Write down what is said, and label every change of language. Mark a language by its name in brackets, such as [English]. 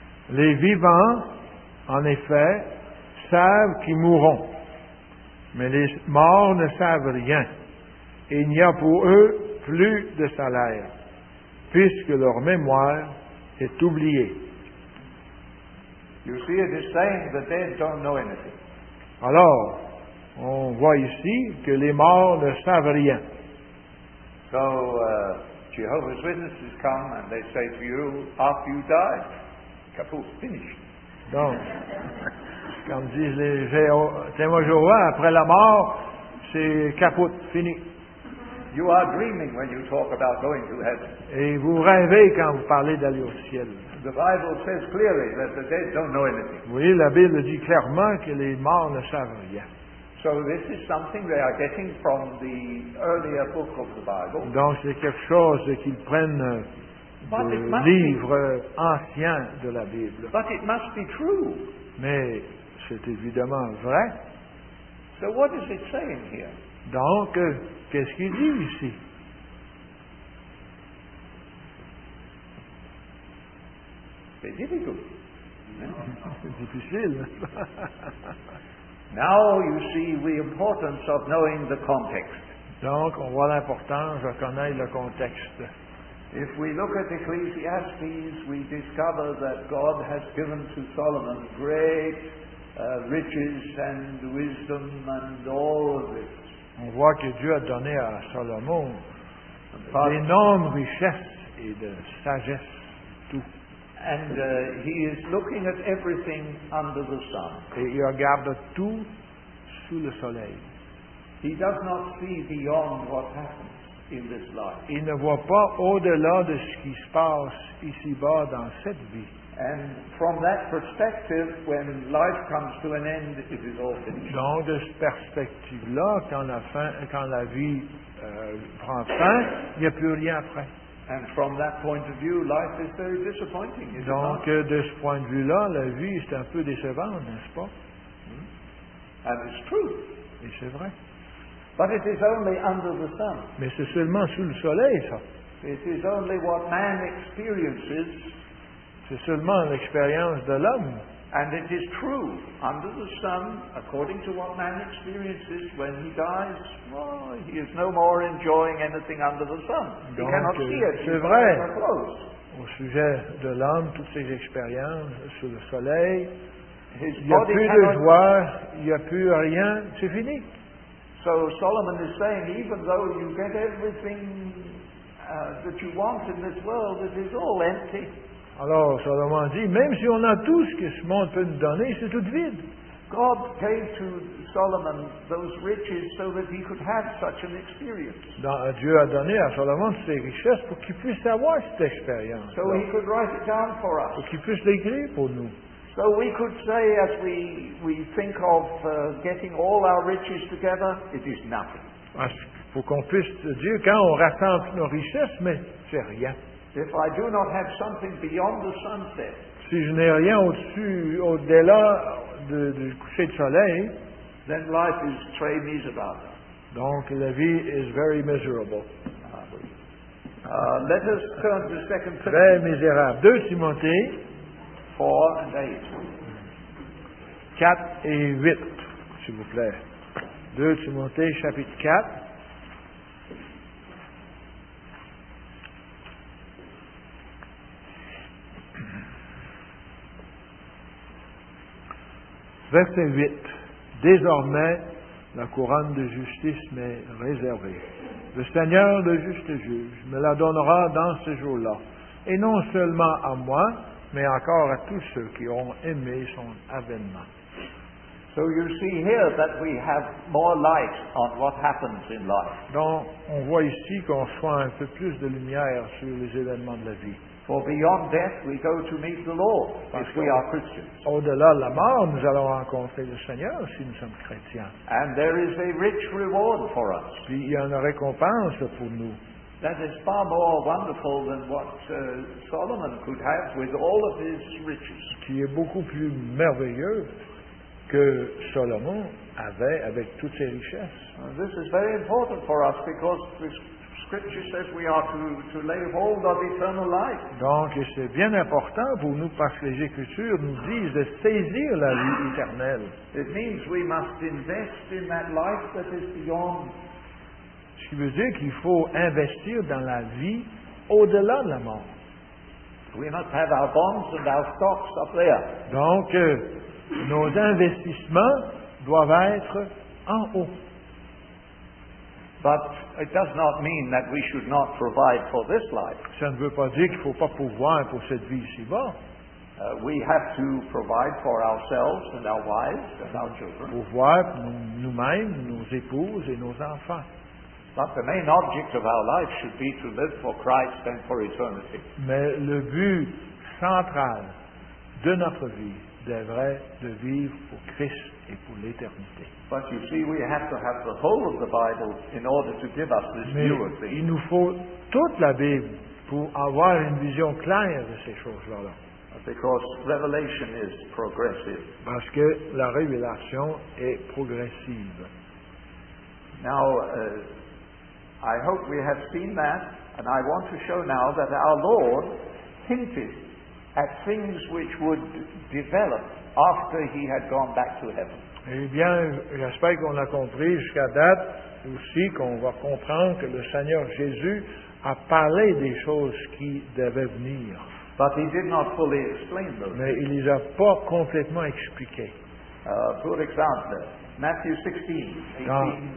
[French] Les vivants, en effet, savent qu'ils mourront, mais les morts ne savent rien, et il n'y a pour eux plus de salaire, puisque leur mémoire est oubliée. [English] You see, it is saying that they don't know anything. [French] Alors, on voit ici que les morts ne savent rien. [English] So Jehovah's Witnesses come and they say to you, after you die, kaput, finish. [French] Donc, comme disent les témoins de Jéhovah, après la mort, c'est kaput, fini. [English] You are dreaming when you talk about going to heaven. [French] Et vous rêvez quand vous parlez d'aller au ciel. [English] The Bible says clearly that the dead don't know anything. [French] Oui, la Bible dit clairement que les morts ne savent rien. [English] So this is something they are getting from the earlier book of the Bible. [French] Donc c'est quelque chose qu'ils prennent du livre ancien de la Bible. [English] But it must be true. [French] Mais c'est évidemment vrai. [English] So what is it saying here? [French] Donc qu'est-ce qu'il dit ici? C'est difficile. C'est difficile. [English] Now you see the importance of knowing the context. [French] Donc, on voit l'importance de connaître le contexte. [English] If we look at Ecclesiastes, we discover that God has given to Solomon great riches and wisdom and all of this. [French] On voit que Dieu a donné à Salomon d'énormes richesses et de sagesse, tout. [English] And he is looking at everything under the sun. [French] Et il regarde tout sous le soleil. [English] He does not see beyond what happens in this life. [French] Il ne voit pas au-delà de ce qui se passe ici-bas dans cette vie. [English] And from that perspective, when life comes to an end, it is all finished. [French] Donc de cette perspective-là, quand la vie prend fin, il n'y a plus rien après. [English] And from that point of view, life is very disappointing, isn't it? [French] Donc, de ce point de vue-là, la vie est un peu décevante, n'est-ce pas? [English] And it's true. [French] Et c'est vrai. [English] But it is only under the sun. [French] Mais c'est seulement sous le soleil, ça. [English] It is only what man experiences. [French] C'est seulement l'expérience de l'homme. [English] And it is true, under the sun, according to what man experiences, when he dies, well, he is no more enjoying anything under the sun. [French] Donc, [English] he cannot see it. [French] C'est vrai. Au sujet de l'âme, toutes ses expériences sur le soleil, [English] his [French] il n'y a plus de joie, il n'y a plus rien, c'est fini. [English] So Solomon is saying, even though you get everything that you want in this world, it is all empty. [French] Alors, Solomon dit, même si on a tout ce que ce monde peut nous donner, c'est tout vide. [English] God gave to Solomon those riches so that he could have such an experience. [French] Dieu a donné à Solomon ces richesses pour qu'il puisse avoir cette expérience. [English] So he could write it down for us. [French] Pour qu'il puisse l'écrire pour nous. [English] So we could say, as we think of getting all our riches together, it is nothing. [French] Pour qu'on puisse dire, quand on rassemble nos richesses, mais c'est rien. [English] If I do not have something beyond the sunset, [French] si je n'ai rien au-dessus, au-delà du coucher de soleil, [English] then life is [French] très [English] miserable. [French] Donc la vie [English] is very miserable. Let us turn to 2 [French] Timothée. Très misérable. 2 Timothée [English] 4 and 8. [French] 4 et 8, s'il vous plaît. 2 Timothée chapitre 4. Verset 8. Désormais, la couronne de justice m'est réservée. Le Seigneur, le juste juge, me la donnera dans ce jour-là. Et non seulement à moi, mais encore à tous ceux qui ont aimé son avènement. [English] So you see here that we have more light on what happens in life. [French] Donc, on voit ici qu'on reçoit un peu plus de lumière sur les événements de la vie. [English] For beyond death we go to meet the Lord if we are Christians. [French] Au-delà de la mort, nous allons rencontrer le Seigneur si nous sommes chrétiens. [English] And there is a rich reward for us. [French] Puis il y a une récompense pour nous. [English] That is far more wonderful than what Solomon could have with all of his riches. [French] Qui est beaucoup plus merveilleux que Solomon avait avec toutes ses richesses. [English] And this is very important for us because this Scripture says we are to lay hold of eternal life. [French] Donc, c'est bien important pour nous parce que les Écritures nous disent de saisir la vie éternelle. [English] It means we must invest in that life that is beyond. [French] Ce qui veut dire qu'il faut investir dans la vie au-delà de la mort. [English] We must have our bonds and our stocks up there. [French] Donc, nos investissements doivent être en haut. [English] But it does not mean that we should not provide for this life. [French] Ça ne veut pas dire qu'il faut pas pourvoir pour cette vie ici-bas. [English] We have to provide for ourselves and our wives and our children. [French] Pourvoir nous-mêmes, nos épouses et nos enfants. [English] But the main object of our life should be to live for Christ and for eternity. [French] Mais le but central de notre vie devrait de vivre pour Christ. Et pour l'éternité. [English] But you see, we have to have the whole of the Bible in order to give us this [French] Mais [English] view of things. [French] Il nous faut toute la Bible pour avoir une vision claire de ces choses-là. [English] Because revelation is progressive. [French] Parce que la révélation est progressive. [English] Now, I hope we have seen that, and I want to show now that our Lord hinted at things which would develop after he had gone back to heaven. [French] Eh bien, j'espère qu'on a compris jusqu'à date aussi qu'on va comprendre que le Seigneur Jésus a parlé des choses qui devaient venir. [English] But he did not fully explain those. [French] Mais il les a pas complètement expliquées. [English] For example, Matthew 16:18-19.